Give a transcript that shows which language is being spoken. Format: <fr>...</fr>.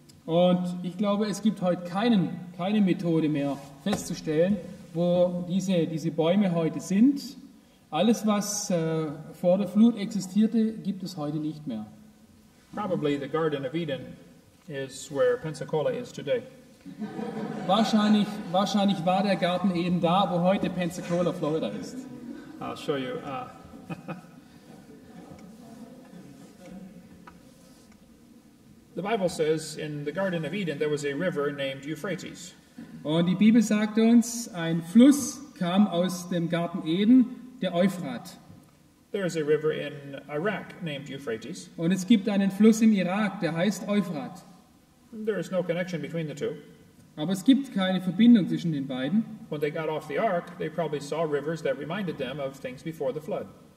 <de>Und ich glaube, es gibt heute keine Methode mehr festzustellen, wo diese Bäume heute sind. Alles, was vor der Flut existierte, gibt es heute nicht mehr.</de> <en>Probably the Garden of Eden is where Pensacola is today.</en> <de>Wahrscheinlich war der Garten eben da, wo heute Pensacola, Florida ist.</de> <en>I'll show you. The Bible says in the Garden of Eden there was a river named Euphrates.</en> <de>Und die Bibel sagt uns, ein Fluss kam aus dem Garten Eden, der Euphrat.</de> <en>There is a river in Iraq named Euphrates.</en> <de>Und es gibt einen Fluss im Irak, der heißt Euphrat.</de> <en>There is no connection between the two.</en> <de>Aber es gibt keine Verbindung zwischen den beiden.</de> <en>When they got off the ark, they probably saw rivers that reminded them of things before the flood.</en>